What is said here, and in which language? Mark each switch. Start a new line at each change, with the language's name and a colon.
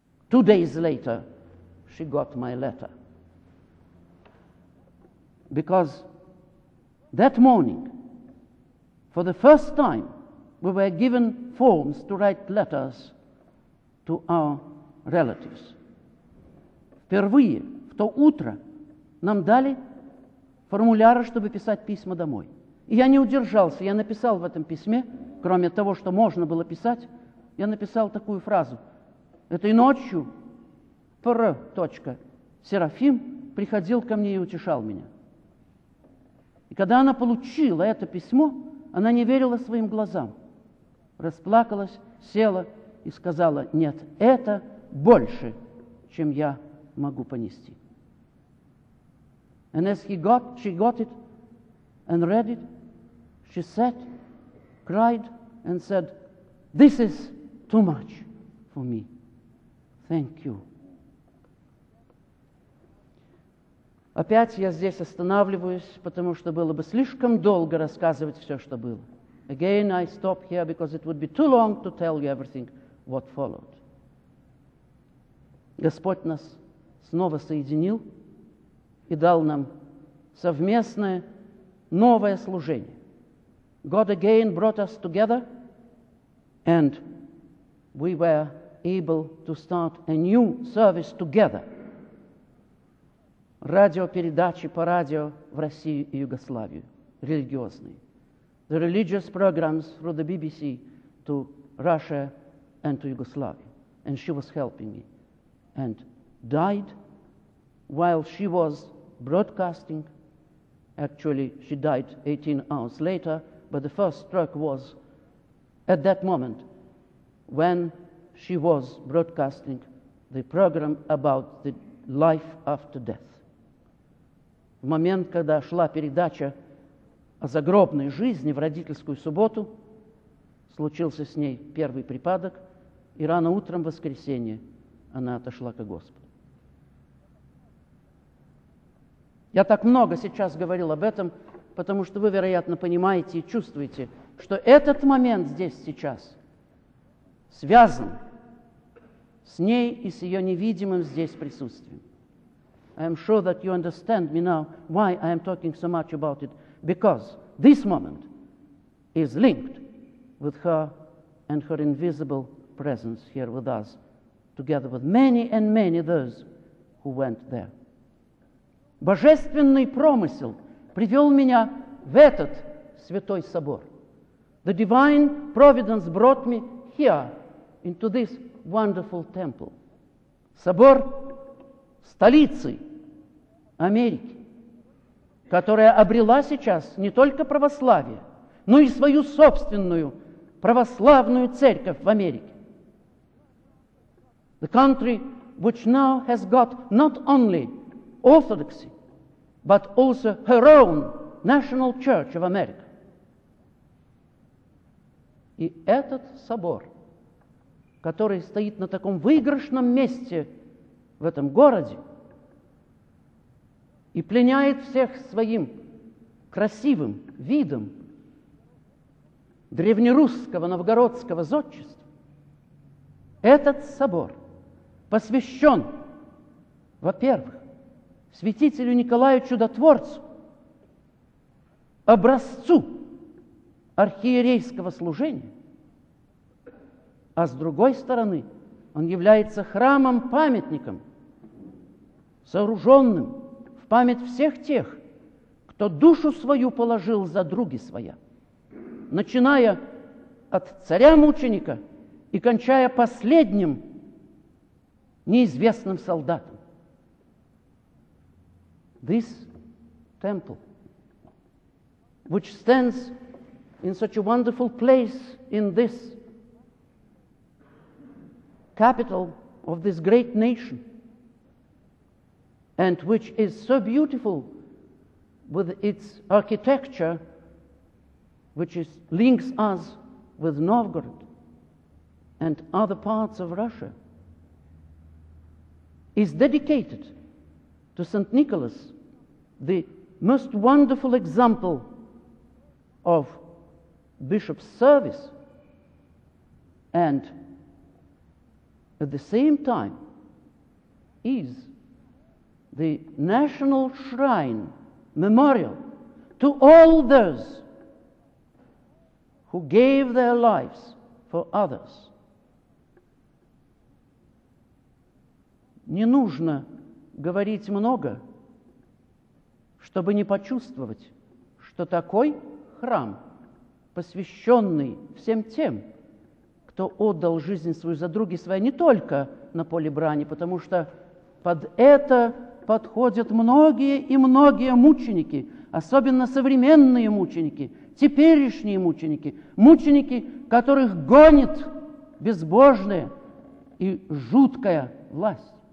English: 2 days later, she got my letter. Because that morning, for the first time, we were given forms to write letters to our relatives.
Russian: Впервые, в то утро, нам дали формуляры, чтобы писать письма домой. И я не удержался, я написал в этом письме, кроме того, что можно было писать, я написал такую фразу. Этой ночью Серафим приходил ко мне и утешал меня. И когда она получила это письмо, она не верила своим глазам. Расплакалась, села и сказала: нет, это больше, чем я могу понести.
English: And as she got it and read it, she sat, cried and said, this is too much for me. Thank you.
Russian: Опять я здесь останавливаюсь, потому что было бы слишком долго рассказывать все, что было.
English: Again, I stop here because it would be too long to tell you everything what followed.
Russian: Господь нас снова соединил и дал нам совместное новое служение.
English: God again brought us together, and we were able to start a new service together.
Russian: радиопередачи по радио в Россию и Югославию, религиозные.
English: The religious programs through the BBC to Russia and to Yugoslavia. And she was helping me. And died while she was broadcasting. Actually, she died 18 hours later, but the first stroke was at that moment when she was broadcasting the program about the life after death.
Russian: В момент, когда шла передача о загробной жизни в родительскую субботу, случился с ней первый припадок, и рано утром в воскресенье она отошла ко Господу. Я так много сейчас говорил об этом, потому что вы, вероятно, понимаете и чувствуете, что этот момент здесь сейчас связан с ней и с ее невидимым здесь присутствием.
English: I am sure that you understand me now why I am talking so much about it, because this moment is linked with her and her invisible presence here with us, together with many and many those who went there.
Russian: Божественный промысел привел меня в этот святой собор.
English: The divine providence brought me here into this wonderful temple.
Russian: Собор столицы Америки, которая обрела сейчас не только православие, но и свою собственную православную церковь в Америке.
English: The country which now has got not only orthodoxy, but also her own national church of America.
Russian: И этот собор, который стоит на таком выигрышном месте в этом городе, и пленяет всех своим красивым видом древнерусского новгородского зодчества, этот собор посвящен, во-первых, святителю Николаю Чудотворцу, образцу архиерейского служения, а с другой стороны, он является храмом-памятником, сооруженным в память всех тех, кто душу свою положил за други своя, начиная от царя-мученика и кончая последним неизвестным солдатом.
English: This temple, which stands in such a wonderful place in this capital of this great nation, and which is so beautiful with its architecture, which is links us with Novgorod and other parts of Russia, is dedicated to Saint Nicholas, the most wonderful example of bishop's service, and at the same time is the national shrine, memorial to all those who gave their lives for others.
Russian: Не нужно говорить много, чтобы не почувствовать, что такой храм, посвященный всем тем, кто отдал жизнь свою за други свои, не только на поле брани, потому что под это подходят многие и многие мученики, особенно современные мученики, теперешние мученики, мученики, которых гонит безбожная и жуткая власть.